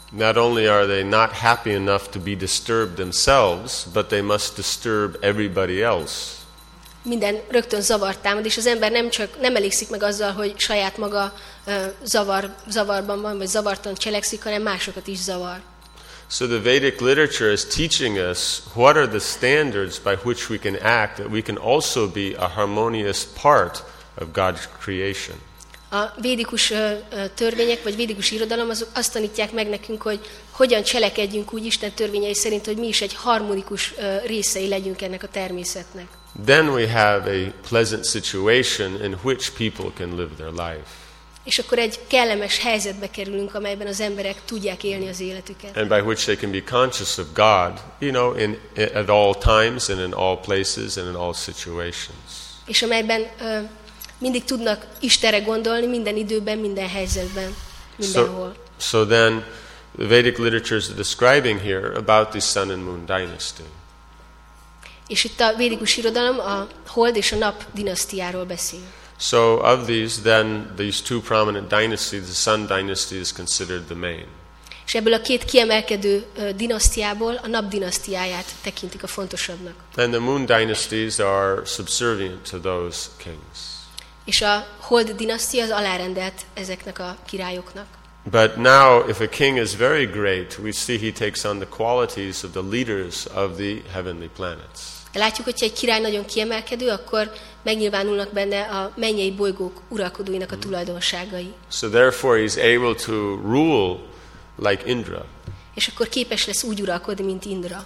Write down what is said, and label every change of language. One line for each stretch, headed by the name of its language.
English: Not only are they not happy enough to be disturbed themselves, but they must disturb everybody else.
Hungarian: Minden rögtön zavart támad, és az ember nem elégszik meg azzal, hogy saját maga zavarban van, vagy zavartan cselekszik, hanem másokat is zavar.
English: So the Vedic literature is teaching us what are the standards by which we can act, that we can also be a harmonious part of God's creation.
Hungarian: A védikus törvények, vagy védikus irodalom azok azt tanítják meg nekünk, hogy hogyan cselekedjünk úgy Isten törvényei szerint, hogy mi is egy harmonikus részei legyünk ennek a természetnek.
English: Then we have a pleasant situation in which people can live their life.
Hungarian: És akkor egy kellemes helyzetbe kerülünk, amelyben az emberek tudják élni az életüket.
English: And by which they can be conscious of God, you know, in at all times and in all places and in all situations.
Hungarian: És amelyben mindig tudnak Istenre gondolni minden időben, minden helyzetben, mindenhol.
English: So then the Vedic literature is describing here about the sun and moon dynasty.
Hungarian: És itt a védikus irodalom a hold és a nap dinasztiáról beszél.
English: So of these, then these two prominent dynasties, the Sun dynasty is considered the main.
Hungarian: És ebből a két kiemelkedő dinasztiából a nap dinasztiáját tekintik a fontosabbnak.
English: And the Moon dynasties are subservient to those kings.
Hungarian: És a hold dinasztia az alárendelt ezeknek a királyoknak.
English: But now, if a king is very great, we see he takes on the qualities of the leaders of the heavenly planets.
Hungarian: Látjuk, hogy egy király nagyon kiemelkedő, akkor megnyilvánulnak benne a mennyei bolygók uralkodóinak a tulajdonságai.
English: So therefore, he's able to rule like Indra.
Hungarian: És akkor képes lesz úgy uralkodni, mint Indra.